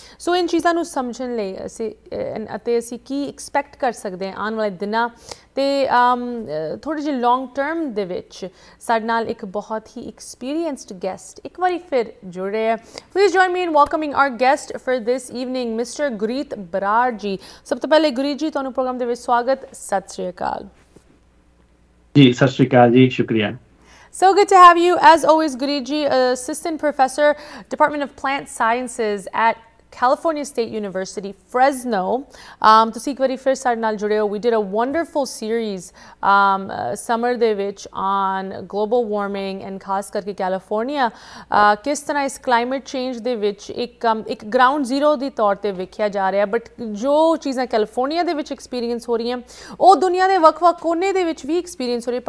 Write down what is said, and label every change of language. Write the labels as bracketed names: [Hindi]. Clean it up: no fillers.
[Punjabi] ਸੋ ਇਨ ਚੀਜ਼ਾਂ ਨੂੰ ਸਮਝਣ ਲਈ ਅਸੀਂ ਅਤੇ ਅਸੀਂ ਕੀ ਐਕਸਪੈਕਟ ਕਰ ਸਕਦੇ ਹਾਂ ਆਉਣ ਵਾਲੇ ਦਿਨਾਂ ਅਤੇ ਥੋੜ੍ਹੇ ਜਿਹੇ ਲੌਂਗ ਟਰਮ ਦੇ ਵਿੱਚ, ਸਾਡੇ ਨਾਲ ਇੱਕ ਬਹੁਤ ਹੀ ਐਕਸਪੀਰੀਅੰਸਡ ਗੈਸਟ ਇੱਕ ਵਾਰੀ ਫਿਰ ਜੁੜ ਰਹੇ ਹੈ। [English] Please join me in welcoming our guest for this evening, mister Gureet Brar ji. [Punjabi] ਸਭ ਤੋਂ ਪਹਿਲੇ ਗੁਰੀਤ ਜੀ, ਤੁਹਾਨੂੰ ਪ੍ਰੋਗਰਾਮ ਦੇ ਵਿੱਚ ਸਵਾਗਤ, ਸਤਿ ਸ਼੍ਰੀ ਅਕਾਲ ਜੀ। ਸਤਿ ਸ਼੍ਰੀ ਅਕਾਲ ਜੀ, ਸ਼ੁਕਰੀਆ। [English] So good to have you as always, Guruji, assistant professor, Department of Plant Sciences at California State University, Fresno. [Punjabi] ਤੁਸੀਂ ਇੱਕ ਵਾਰੀ ਫਿਰ ਸਾਡੇ ਨਾਲ ਜੁੜੇ ਹੋ। [English] we did a wonderful series [Punjabi] summer ਦੇ ਵਿੱਚ [English] on global warming [Punjabi] ਐਂਡ ਖਾਸ ਕਰਕੇ ਕੈਲੀਫੋਰਨੀਆ ਕਿਸ ਤਰ੍ਹਾਂ ਇਸ ਕਲਾਈਮੇਟ ਚੇਂਜ ਦੇ ਵਿੱਚ ਇੱਕ ਗਰਾਊਂਡ ਜ਼ੀਰੋ ਦੇ ਤੌਰ 'ਤੇ ਵੇਖਿਆ ਜਾ ਰਿਹਾ, ਬਟ ਜੋ ਚੀਜ਼ਾਂ ਕੈਲੀਫੋਰਨੀਆ ਦੇ ਵਿੱਚ ਐਕਸਪੀਰੀਅੰਸ ਹੋ ਰਹੀਆਂ ਉਹ ਦੁਨੀਆ ਦੇ ਵੱਖ ਵੱਖ ਕੋਨੇ ਦੇ ਵਿੱਚ ਵੀ ਐਕਸਪੀਰੀਅੰਸ ਹੋ ਰਹੀ।